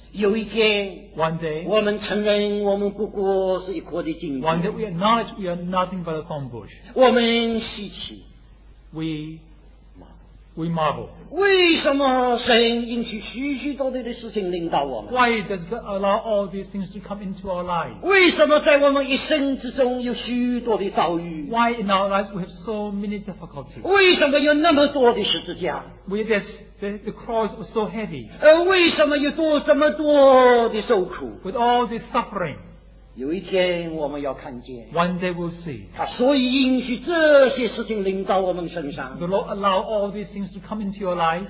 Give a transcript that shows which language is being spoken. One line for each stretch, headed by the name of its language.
Chinese: 有一天
English: One day
Chinese: 我们承认我们不过是一棵的荆棘
English: One day we acknowledge we are nothing but a thorn bush
Chinese: 我们稀奇
English: We marvel
Chinese: 为什么神允许许许多多的事情临到我们
English: Why does God allow all these things to come into our lives
Chinese: 为什么在我们一生之中有许多的遭遇
English: Why in our lives we have so many difficulties
Chinese: 为什么有那么多的十字架
English: With thisThe cross was so heavy.
Chinese: 为什么有多这么多的受苦
English: With all this suffering. One day we'll see.
Chinese: 他所以允许这些事情临到我们身上,
English: the Lord allow all these things to come into your life.